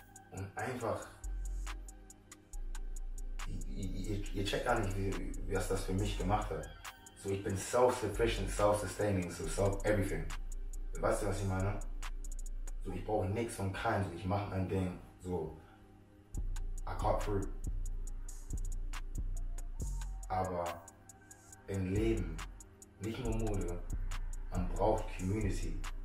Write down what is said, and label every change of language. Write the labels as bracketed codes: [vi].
[de] Und einfach, ihr checkt gar nicht, wie was das für mich gemacht hat. So, ich bin [en] self-sufficient, self-sustaining, so self-everything. [de] Weißt du, was ich meine? So, ich brauche nichts von keinem, so, ich mache mein Ding, so, [en] I got through. [de] Aber im Leben, nicht nur Mode, man braucht Community.